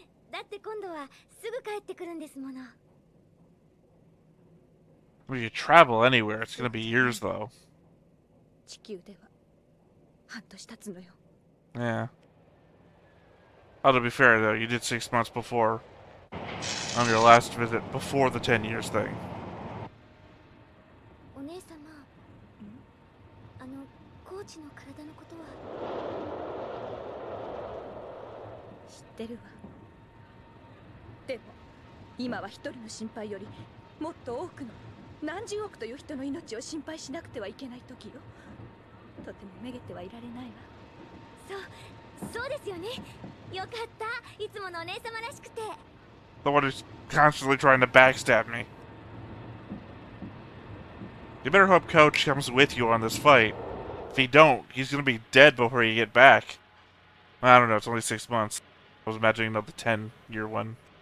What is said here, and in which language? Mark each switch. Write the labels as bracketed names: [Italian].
[Japanese] だって今度はすぐ帰ってくるんですもの。 [English] Well, you travel anywhere. It's gonna be years, though. [Japanese] 地球では半年経つのよ。 [English] Yeah. Oh, to be fair, though, you did 6 months before on your last visit before the 10 years thing. [Japanese] お姉様、あのコーチの体のことは。知ってるわ。でも今は一人の心配よりもっと多くの何十億という人の命を心配しなくてはいけない時よ。とてもめげてはいられないわ。そうですよね。よかった、いつものお姉様らしくて。 [English] The one is constantly trying to backstab me. You better hope Coach comes with you on this fight. If he don't, he's gonna be dead before you get back. I don't know, it's only 6 months. I was imagining another 10-year one.